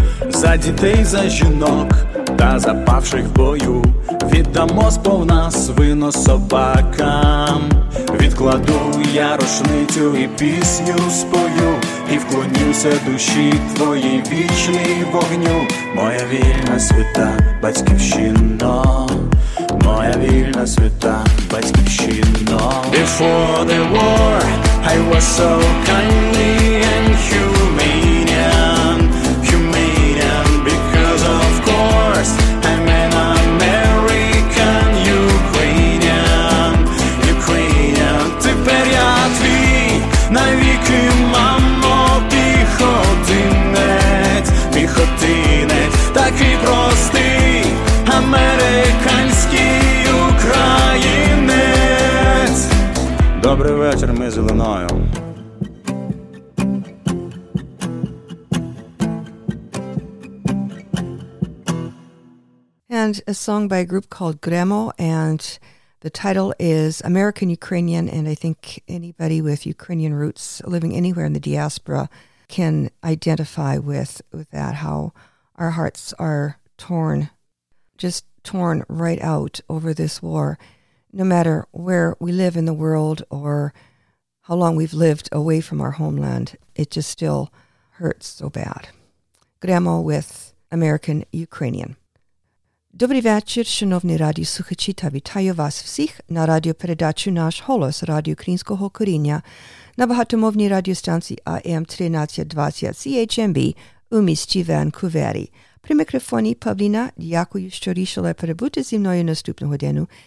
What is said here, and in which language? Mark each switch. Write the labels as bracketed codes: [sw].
[uk] За дітей, за жінок та за павших в бою віддамо сповна свино собакам. Відкладу я рушницю і пісню спою, і вклонюся душі твоїй вічний вогню. Моя вільна свята батьківщино, моя вільна свята батьківщино. [en] Before the war I was so kindly and humanian, humanian, because of course I'm an American, Ukrainian, Ukrainian. [uk] Тепер я твій навіки, мамо, піхотинець, піхотинець, такий простий американський українець. Добрий вечір, ми з Іллиною. [en] And a song by a group called Gremo, and the title is American Ukrainian, and I think anybody with Ukrainian roots living anywhere in the diaspora can identify with that, how our hearts are torn, just torn right out over this war. No matter where we live in the world or how long we've lived away from our homeland, it just still hurts so bad. Gremo with American Ukrainian. [uk] Добрий вечір, шановні радіослухачі, та вітаю вас всіх на радіопередачу «Наш Голос» радіо українського коріння на багатомовній радіостанції АМ 1320 CHMB у місті Ванкувері. При мікрофоні Павліна, дякую, що рішили перебути зі мною наступну годину.